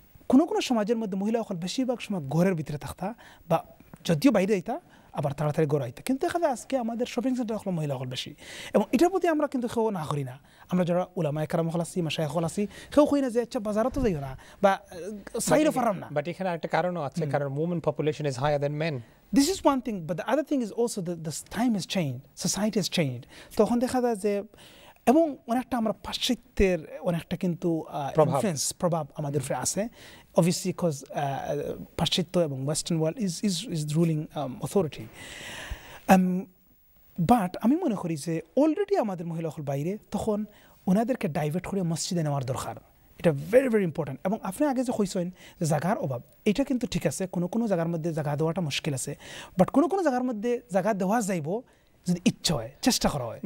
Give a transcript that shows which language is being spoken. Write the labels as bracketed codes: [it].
[bn] কোনো কোনো সমাজের মধ্যে মহিলাসকল বেশিরভাগ সময় ঘরের ভিতরে থাকতা বা যদিও বাইরে আইতা আবার তাড়াতাড়ি ঘরে আইতা কিন্তু দেখা যায় আজকে আমাদের শপিং সেন্টার হলো মহিলাসকল বেশি এবং এটার প্রতি আমরা কিন্তু সেও না করি না আমরা যারা উলামা একরাম হল আছি মাসায় হল আছি সেও কই না যে আচ্ছা বাজারও তো যাইও না বা সাইডও পারাম না বাট এখানে একটা কারণও আছে কারণ [en] Women population is higher than men This is one thing, but the other thing is also that the time has changed, society has changed. So, when they say, [bn] এবং অনেকটা আমরা পাশ্চাত্যের অনেকটা কিন্তু ইনফ্লুয়েন্স প্রভাব আমাদের উপরে আছে অবভিয়াসলি বিকজ পাশ্চাত্য এবং [en] western world is ruling authority [bn] but আমি মনে করি যে অলরেডি আমাদের মহিলাসকল বাইরে তখন ওনাদেরকে ডাইভার্ট করে মসজিদে নেওয়ার দরকার এটা [en] very very important [bn] এবং আপনি আগে যে কইছেন যে জায়গার অভাব এটা কিন্তু ঠিক আছে কোনো কোনো জায়গার মধ্যে জায়গা দেওয়াটা মুশকিল আছে বাট কোনো কোনো জায়গার মধ্যে জায়গা দেওয়া যাইব যদি ইচ্ছা হয় চেষ্টা করা হয়